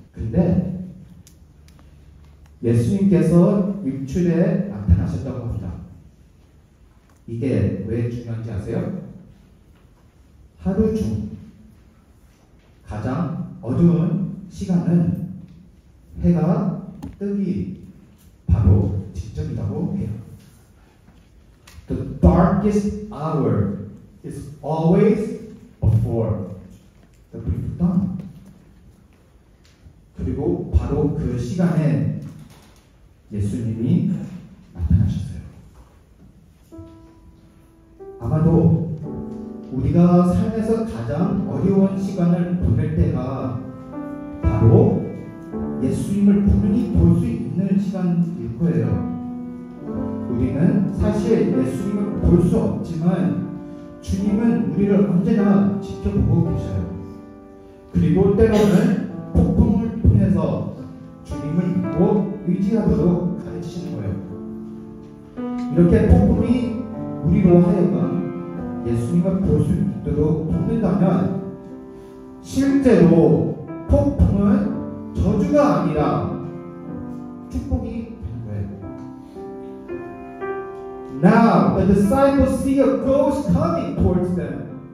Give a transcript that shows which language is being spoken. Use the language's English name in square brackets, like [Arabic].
[Korean] 근데 예수님께서 입출에 나타나셨다고 합니다. 이게 왜 중요한지 아세요? 하루 중 가장 어두운 시간은 해가 뜨기 바로 직전이라고 해요. [English] The darkest hour is always before the break of dawn. [Korean] 그리고 바로 그 시간에 예수님이 나타나셨어요. 아마도 우리가 삶에서 가장 어려운 시간을 보낼 때가 바로 예수님을 분명히 볼 수 있는 시간일 거예요. 우리는 사실 예수님을 볼 수 없지만 주님은 우리를 언제나 지켜보고 계셔요. 그리고 때로는 폭풍을 통해서 주님을 꼭 의지하도록 가르치시는 거예요. 이렇게 폭풍이 우리로 하여금 예수님을 볼 수 있도록 돕는다면 실제로 폭풍은 저주가 아니라 축복이 되는 거예요. [English] Now the disciples see a ghost coming towards them.